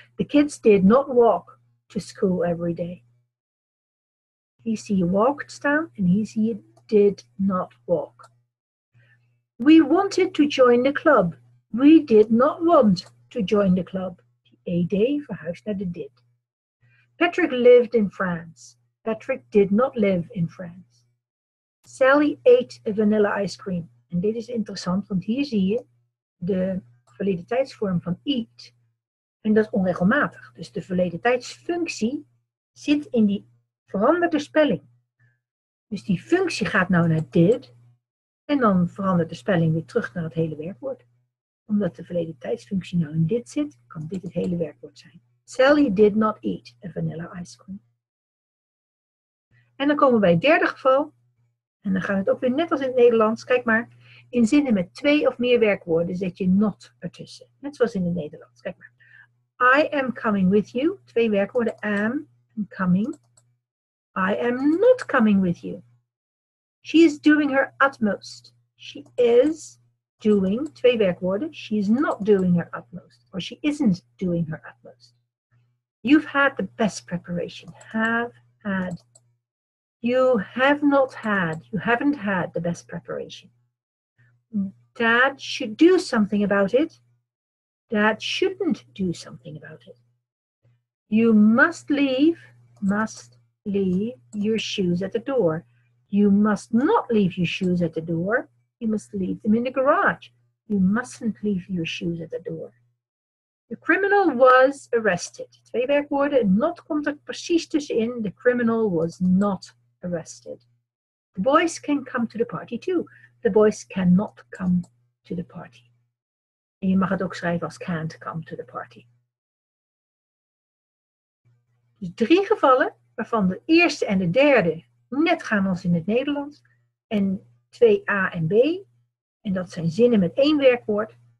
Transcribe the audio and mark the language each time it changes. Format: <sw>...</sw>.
<en>The kids did not walk to school every day.</en> <nl>Hier zie je walked staan en hier zie je</nl> <en>did not walk. We wanted to join the club. We did not want to join the club.</en> <nl>Die ed verhuist naar de did.</nl> <en>Patrick lived in France. Patrick did not live in France. Sally ate a vanilla ice cream.</en> <nl>En dit is interessant, want hier zie je de verleden tijdsvorm van eat. En dat is onregelmatig. Dus de verleden tijdsfunctie zit in die veranderde spelling. Dus die functie gaat nou naar did. En dan verandert de spelling weer terug naar het hele werkwoord. Omdat de verleden tijdsfunctie nou in dit zit, kan dit het hele werkwoord zijn.</nl> <en>Sally did not eat a vanilla ice cream.</en> <nl>En dan komen we bij het derde geval. En dan gaat het ook weer net als in het Nederlands. Kijk maar. In zinnen met twee of meer werkwoorden zit je not ertussen. Net zoals in het Nederlands. Kijk maar.</nl> <en>I am coming with you.</en> <nl>Twee werkwoorden.</nl> <en>Am and coming. I am not coming with you. She is doing her utmost. She is doing.</en> <nl>Twee werkwoorden.</nl> <en>She is not doing her utmost. Or she isn't doing her utmost. You've had the best preparation. Have had. You have not had. You haven't had the best preparation. Dad should do something about it. Dad shouldn't do something about it. You must leave your shoes at the door. You must not leave your shoes at the door. You must leave them in the garage. You mustn't leave your shoes at the door. The criminal was arrested.</en> <nl>Twee werkwoorden, not komt er precies tussenin.</nl> <en>The criminal was not arrested. The boys can come to the party too. The boys cannot come to the party.</en> <nl>En je mag het ook schrijven als</nl> <en>can't come to the party.</en> <nl>Dus drie gevallen, waarvan de eerste en de derde net gaan als in het Nederlands. En twee A en B. En dat zijn zinnen met één werkwoord.</nl>